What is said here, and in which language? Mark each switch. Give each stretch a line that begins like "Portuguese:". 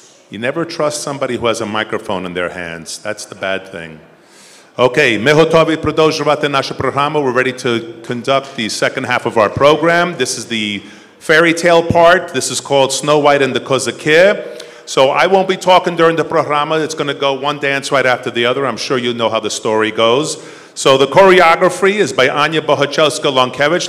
English: You never trust somebody who has a microphone in their hands. That's the bad thing.
Ukrainian: Okay, ми готові продовжувати нашу програму.
English: We're ready to conduct the second half of our program. This is the Fairytale part. This is called Snow White and the Kazka. So I won't be talking during the programa. It's going to go one dance right after the other. I'm sure you know how the story goes. So the choreography is by Anya Bohachelska-Lonkevich.